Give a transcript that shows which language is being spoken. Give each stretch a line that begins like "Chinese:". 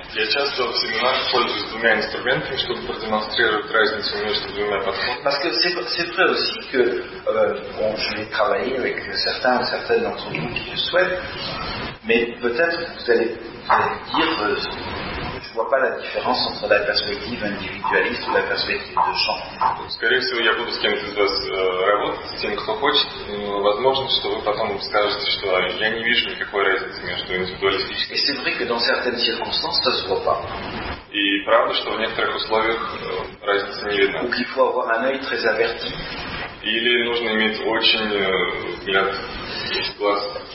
Russian: Я часто в семинарах пользуюсь двумя инструментами, чтобы продемонстрировать разницу между двумя подходами.
French: Parce que c'est vrai aussi que bon, je vais travailler avec certaines d'entre vous qui le souhaitent, mais peut-être vous allez dire je vois pas la différence entre la perspective individualiste ou la perspective de champ.
Russian: Скорее всего, я буду с кем-то из вас работать, с тем, кто хочет. Возможно, что вы потом скажете, что я не вижу никакой разницы между индивидуалистическими.
French: Et c'est vrai que dans certaines circonstances, ça se voit pas.
Russian: И правда, что в некоторых условиях разницы не видна.
French: Ou qu'il faut avoir un œil très averti.
Russian: Или нужно иметь очень взгляд, глаз.